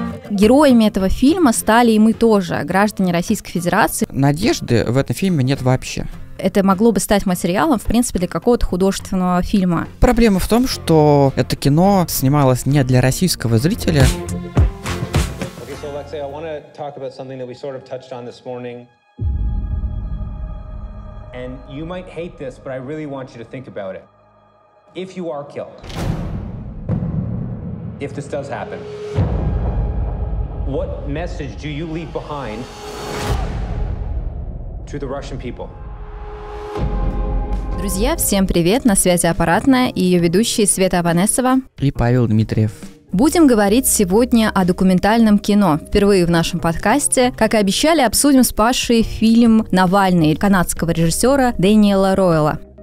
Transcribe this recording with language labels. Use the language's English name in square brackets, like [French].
[Russian] героями этого фильма стали и мы тоже, граждане Российской Федерации. Надежды в этом фильме нет вообще. Это могло бы стать материалом, в принципе, для какого-то художественного фильма. Проблема в том, что это кино снималось не для российского зрителя. [English] Okay, so Alexei, I want to talk about something that we sort of touched on this morning. And you might hate this, but I really want you to think about it. If you are killed, if this does happen, what message do you leave behind to the Russian people? [Russian] Друзья, всем привет! На связи Аппаратная и ее ведущие Света Аванесова и Павел Дмитриев. Будем говорить сегодня о документальном кино. Впервые в нашем подкасте, как и обещали, обсудим с Пашей фильм «Навальный» канадского режиссера Дэниела Ройла.